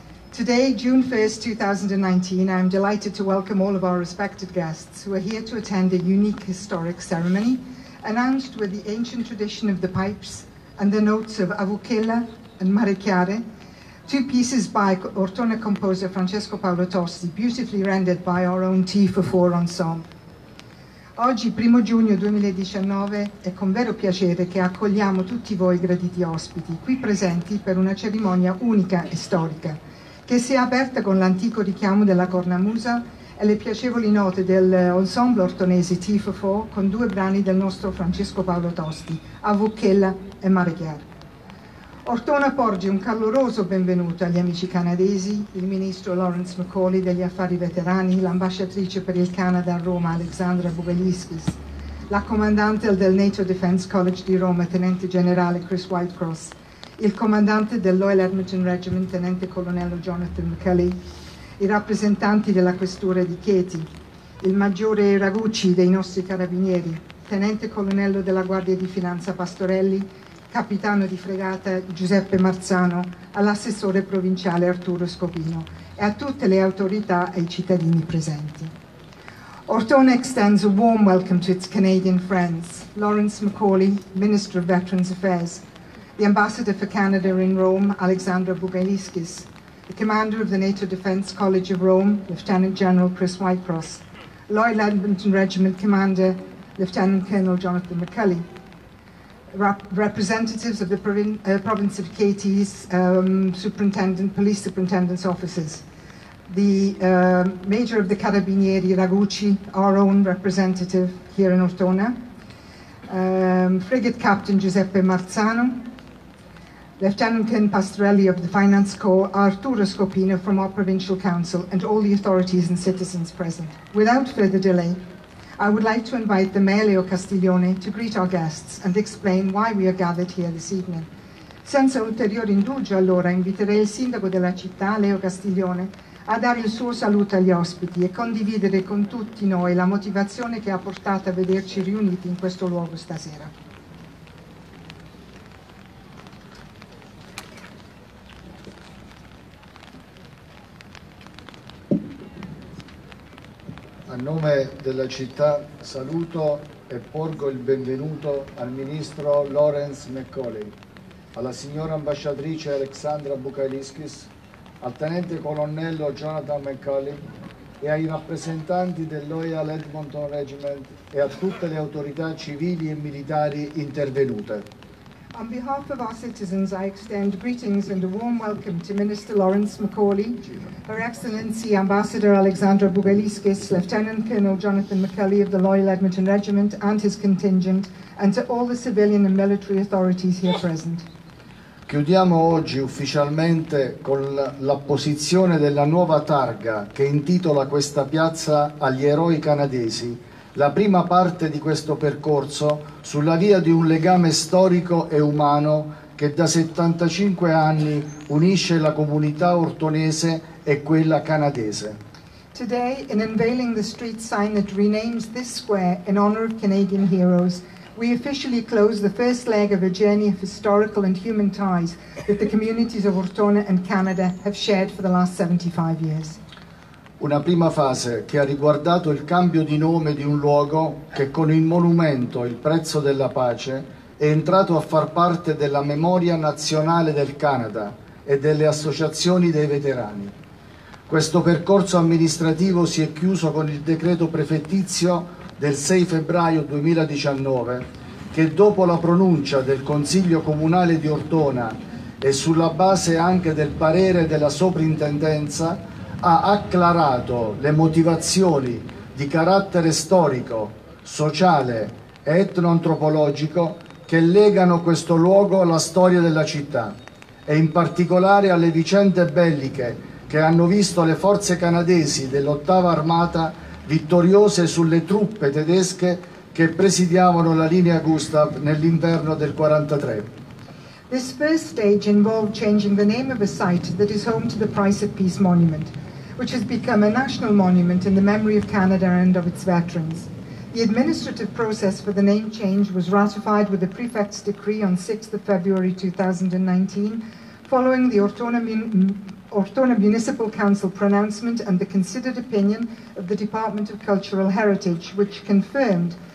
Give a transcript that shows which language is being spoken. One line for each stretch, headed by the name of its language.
English: Today, June 1st, 2019, I am delighted to welcome all of our respected guests who are here to attend a unique historic ceremony announced with the ancient tradition of the pipes and the notes of Avukela and Marechiare, two pieces by Ortona composer Francesco Paolo Tosti, beautifully rendered by our own T for Four Ensemble.
Italian: Oggi, 1 giugno 2019, è con vero piacere che accogliamo tutti voi graditi ospiti, qui presenti per una cerimonia unica e storica, che si è aperta con l'antico richiamo della cornamusa e le piacevoli note dell'ensemble ortonese T for Four con due brani del nostro Francesco Paolo Tosti, Avukela e Marechiare. Ortona porge un caloroso benvenuto agli amici canadesi, il ministro Lawrence McAuley degli affari veterani, l'ambasciatrice per il Canada a Roma, Alexandra Bubeliskis, la comandante del NATO Defense College di Roma, tenente generale Chris Whitecross, il comandante del Loyal Edmonton Regiment, tenente colonnello Jonathan McCulley, i rappresentanti della questura di Chieti, il maggiore Ragucci dei nostri carabinieri, tenente colonnello della Guardia di Finanza Pastorelli, capitano di fregata Giuseppe Marzano, all'assessore provinciale Arturo Scopino e a tutte le autorità e i cittadini presenti.
English: Ortona extends a warm welcome to its Canadian friends, Lawrence McAuley, Minister of Veterans Affairs, the Ambassador for Canada in Rome, Alexandra Bubeliskis, the Commander of the NATO Defence College of Rome, Lieutenant General Chris Whitecross, Loyal Edmonton Regiment Commander, Lieutenant Colonel Jonathan McCulley, representatives of the province of Katie's superintendent, police superintendent's offices, the major of the Carabinieri Ragucci, our own representative here in Ortona, frigate captain Giuseppe Marzano, Lieutenant Ken Pastorelli of the Finance Corps, Arturo Scopino from our provincial council, and all the authorities and citizens present. Without further delay, I would like to invite the Mayor Leo Castiglione to greet our guests and explain why we are gathered here this evening.
Italian: Senza ulteriore indugio, allora, inviterei il sindaco della città, Leo Castiglione, a dare il suo saluto agli ospiti e condividere con tutti noi la motivazione che ha portato a vederci riuniti in questo luogo stasera. A nome della città saluto e porgo il benvenuto al ministro Lawrence McAuley, alla signora ambasciatrice Alexandra Bukaliskis, al tenente colonnello Jonathan McCulley e ai rappresentanti del Loyal Edmonton Regiment e a tutte le autorità civili e militari intervenute.
English: On behalf of our citizens, I extend greetings and a warm welcome to Minister Lawrence McAuley, Her Excellency Ambassador Alexandra Bubeliskis, Lieutenant Colonel Jonathan McCulley of the Loyal Edmonton Regiment and his contingent, and to all the civilian and military authorities here present.
Italian: Chiudiamo oggi ufficialmente con l'apposizione della nuova targa che intitola questa piazza agli eroi canadesi, la prima parte di questo percorso sulla via di un legame storico e umano che da 75 anni unisce la comunità ortonese e quella canadese.
English: Today, in unveiling the street sign that renames this square in honor of Canadian heroes, we officially close the first leg of a journey of historical and human ties that the communities of Ortona and Canada have shared for the last 75 years.
Italian: Una prima fase che ha riguardato il cambio di nome di un luogo che con il monumento Il Prezzo della Pace è entrato a far parte della memoria nazionale del Canada e delle associazioni dei veterani. Questo percorso amministrativo si è chiuso con il decreto prefettizio del 6 febbraio 2019 che dopo la pronuncia del Consiglio Comunale di Ortona e sulla base anche del parere della soprintendenza ha acclarato le motivazioni di carattere storico, sociale e etnoantropologico che legano questo luogo alla storia della città e in particolare alle vicende belliche che hanno visto le forze canadesi dell'ottava armata vittoriose sulle truppe tedesche che presidiavano la linea Gustav nell'inverno del 43.
English: This first stage involved changing the name of a site that is home to the Price of Peace Monument, which has become a national monument in the memory of Canada and of its veterans. The administrative process for the name change was ratified with the prefect's decree on 6th of February 2019, following the Ortona Municipal Council pronouncement and the considered opinion of the Department of Cultural Heritage, which confirmed